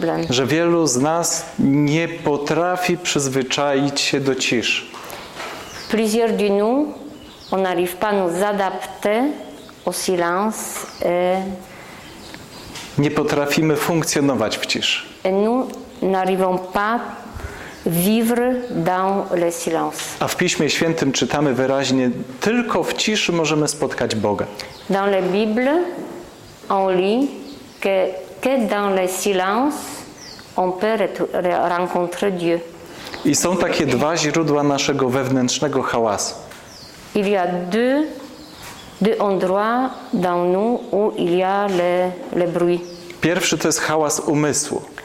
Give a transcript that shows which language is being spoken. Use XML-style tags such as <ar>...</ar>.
<pl>Że wielu z nas nie potrafi przyzwyczaić się do ciszy.</pl> <fr>Plusieurs de nous, on n'arrive pas à nous adapter au silence.</fr> <pl>Nie potrafimy funkcjonować w ciszy.</pl> <fr>Et nous n'arrivons pas vivre dans le silence.</fr> <pl>A w Piśmie Świętym czytamy wyraźnie, tylko w ciszy możemy spotkać Boga.</pl> <fr>Dans la Bible, on lit que que dans le silence on peut rencontrer Dieu.</fr> <pl>I są takie dwa źródła naszego wewnętrznego hałasu.</pl> <fr>Il y a deux endroits dans nous où il y a le bruit.</fr> <pl>Pierwszy to jest hałas umysłu.</pl>